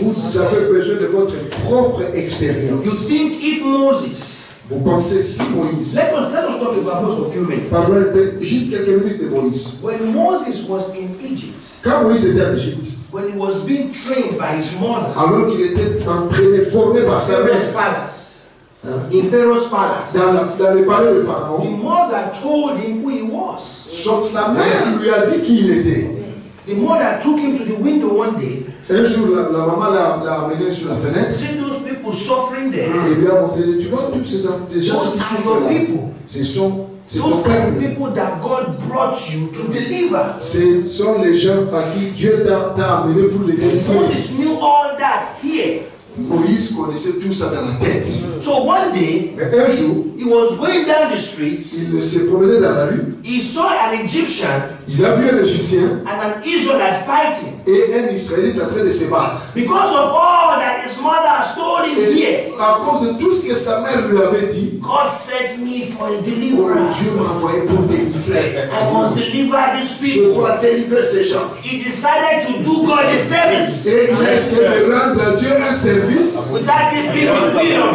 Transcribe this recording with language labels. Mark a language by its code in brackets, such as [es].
[fr] Vous avez besoin de votre propre expérience. [en] You think if Moses, [fr] vous pensez si Moïse, [en] let us talk about Moses for a few minutes. [fr] Pardon, juste quelques minutes de Moïse. [en] When Moses was in Egypt, [fr] quand Moïse était en Égypte, [en] when he was being trained by his mother, [fr] alors qu'il était entraîné, formé par sa mère, [en] in Pharaoh's palace, [fr] dans le palais de Pharaon, [en] the mother told him who he was. [fr] Donc sa mère lui a dit qui il était. [en] The mother took him to the window one day. [fr] Un jour, la maman l'a amené sur la fenêtre. [en] See those people suffering there. [fr] Et lui a montré, tu vois toutes ces gens qui sont là. [en] Those are your people. [fr] Ce sont [en] the people that God brought you to deliver. [fr] Ce sont les gens par qui Dieu t'a amené pour les délivrer. [en] Moses knew all that here. [fr] Moïse connaissait tout ça dans la tête. [en] So one day, [fr] mais un jour, [en] he was going down the street. [fr] Il se promenait dans la rue. [en] He saw an Egyptian. [fr] Il a vu un Égyptien. [en] And an Israelite fighting. [fr] Et un Israélite en train de se battre. [en] Because of all that his mother has told him [fr] et [en] here. [fr] À cause de tout ce que sa mère lui avait dit. [en] God sent me for a deliverer. [fr] Oh, Dieu m'a envoyé pour délivrer. [en] I must deliver this people. [fr] Je dois délivrer ces gens. [en] He decided to do God a service. [fr] Et il essaie de rendre à Dieu un service. [en] Without it being revealed.